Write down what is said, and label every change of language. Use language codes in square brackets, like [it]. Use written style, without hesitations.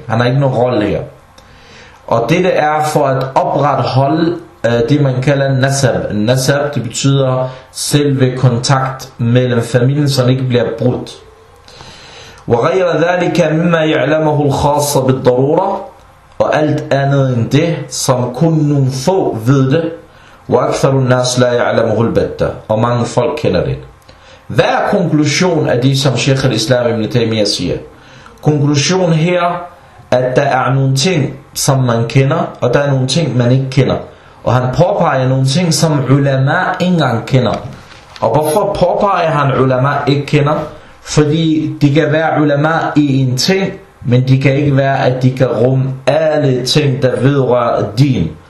[da] Han har ikke nogen rolle her. Og dette er for at opretholde det man kalder nasab. Nasab, det betyder selve kontakt mellem familien, så ikke bliver brudt. [ar] وغير ذلك مما يعلمه الخاص بالضرورة, [da] og alt andet end det, som kun nogle få ved det. [ar] وأكثر الناس لا يعلمه البتة. [da] Og mange folk kender det. Hvad er konklusionen af det, som Sheikh al-Islam ibn Taymiyyah siger? Konklusionen her, at der er nogle ting, som man kender, og der er nogle ting, man ikke kender. Og han påpeger nogle ting, som ulama ikke engang kender. Og hvorfor påpeger han ulama ikke kender? Fordi de kan være ulama i en ting, men de kan ikke være, at de kan rumme alle ting, der vedrører din.